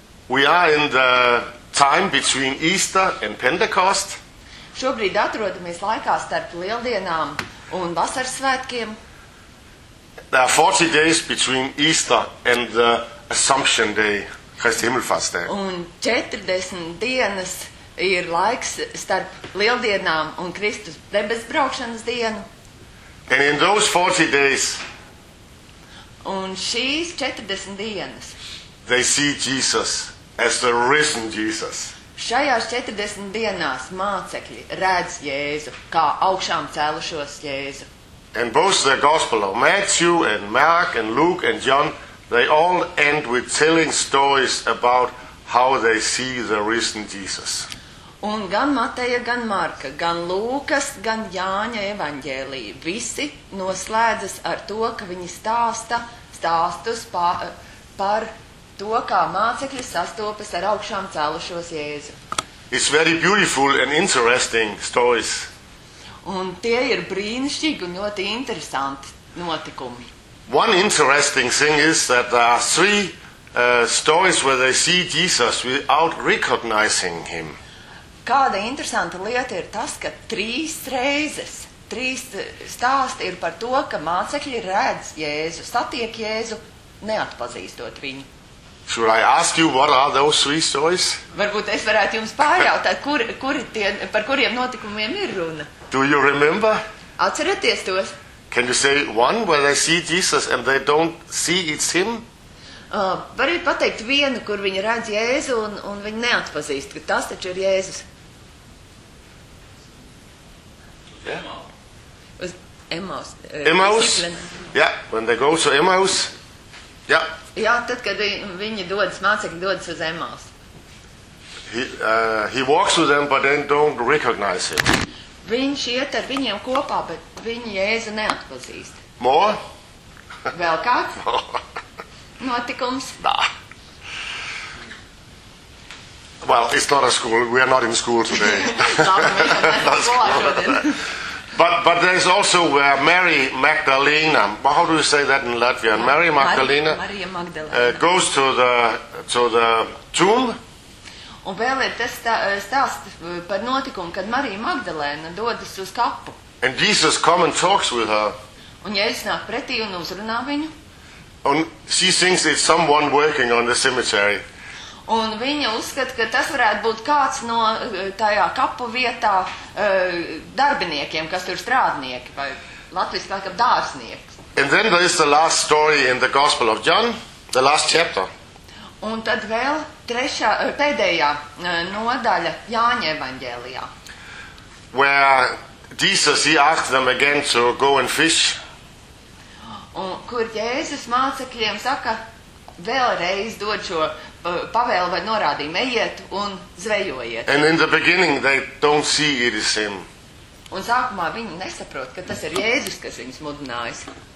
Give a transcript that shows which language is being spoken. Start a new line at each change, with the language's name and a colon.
English: We are in the time between Easter and Pentecost.
Latvian: Šobrīd atrodamies laikā starp lieldienām un vasaras svētkiem.
English: There are 40 days between Easter and the Assumption Day, Kristi Himmelfartsdag.
Latvian: Un 40 dienas ir laiks starp lieldienām un Kristus debesbraukšanas dienu.
English: And in those 40 days,
Latvian: un šīs 40 dienas,
English: they see Jesus as the risen Jesus.
Latvian: Šajās 40 dienās mācekļi redz Jēzu kā augšām cēlušos Jēzu.
English: And both the Gospel of Matthew and Mark and Luke and John, they all end with telling stories about how they see the risen Jesus.
Latvian: Un gan Mateja, gan Marka, gan Lūkas, gan Jāņa evaņģēlija visi noslēdzas ar to, ka viņi stāstus par to, kā mācekļi sastopas ar augšām cēlušos Jēzu.
English: It's very beautiful and interesting stories.
Latvian: Un tie ir brīnišķīgi un ļoti interesanti notikumi.
English: One interesting thing is that there are three stories where they see Jesus without recognizing him.
Latvian: Kāda interesanta lieta ir tas, ka trīs reizes trīs stāsti ir par to, ka mācekļi redz Jēzu, satiek Jēzu, neatpazīstot viņu.
English: Should I ask you what are those three stories?
Latvian: Varbūt es varētu jums pārjautāt, par kuriem notikumiem ir runa.
English: Do you remember?
Latvian: Atcerieties tos.
English: Can you say one where they see Jesus and they don't see it's him?
Latvian: Varbūt pateikt vienu, kur viņi redz Jēzu un viņi neatpazīst, ka tas taču ir Jēzus.
English: Yeah. Emmaus. Yeah, when they go to Emmaus. Yeah.
Latvian: Jā, tad, kad viņi dodas, mācekļi dodas uz Emmaus.
English: He walks with them, but they don't recognize him.
Latvian: Viņš iet ar viņiem kopā, bet viņi Jēzu neatpazīst.
English: More?
Latvian: Vēl kāds? Notikums? Nā.
English: Well, it's not a school. We are not in school today. Not school. But there's also where Mary Magdalena, how do you say that in Latvian? Mary Magdalena, Maria Magdalena. Goes to the tomb.
Latvian: Un vēl ir tas stāsts par notikumu, kad Marija Magdalēna dodas uz kapu.
English: And Jesus come and talks with her.
Latvian: Un Jēzus nāk pretī un uzrunā viņu.
English: And she thinks it's someone working on the cemetery.
Latvian: Un viņa uzskata, ka tas varētu būt kāds no tajā kapu vietā darbiniekiem, kas tur strādnieki, vai latviski kā dārznieks.
English: And then there is the last story in the Gospel of John, the last chapter.
Latvian: Un tad vēl trešā, pēdējā nodaļa Jāņa evaņģēlijā.
English: Where Jesus, he asked them again to go and fish.
Latvian: Un kur Jēzus mācekļiem saka, vēlreiz dod šo pavēlu vai norādījumu, ejiet un zvejojiet.
English: And in the beginning they don't see it is him.
Latvian: Un sākumā viņi nesaprot, ka tas ir Jēzus, kas viņus mudinājis.